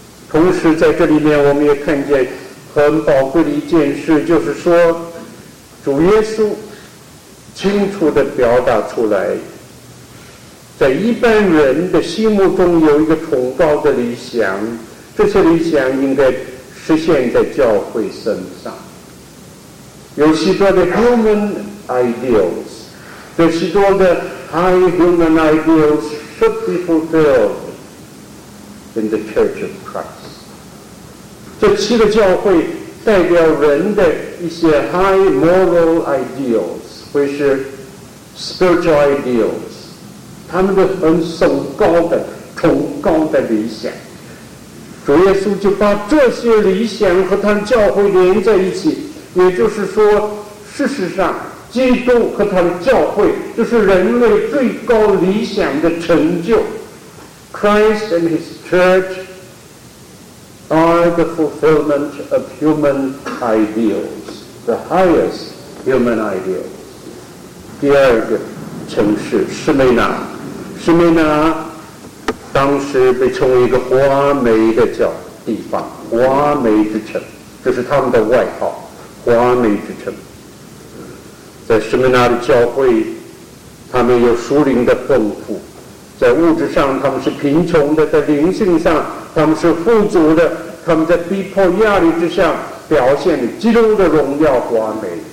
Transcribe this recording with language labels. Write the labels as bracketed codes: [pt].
[zh] 同时在这里面我们也看见很宝贵的一件事，就是说主耶稣清楚地表达出来，在一般人的心目中有一个崇高的理想，这些理想应该实现在教会身上。有许多的 [en] human ideals， 有许多的 high human ideals should be fulfilled in the Church of Christ。 [zh] 这七个教会代表人的一些 [en] high moral ideals， [zh] 会是 [en] spiritual ideals， [zh] 他们的很崇高的理想。主耶稣就把这些理想和他的教会连在一起，也就是说，事实上，基督和他的教会就是人类最高理想的成就。 [en] Christ and His Church are the fulfillment of human ideals, the highest human ideals. [zh] 第二个城市，士美拿，士美拿。当时被称为一个华美的叫地方，华美之城，这是他们的外号，华美之城。在士美拿的教会，他们有属灵的丰富，在物质上他们是贫穷的，在灵性上他们是富足的，他们在逼迫压力之下表现了基督的荣耀华美。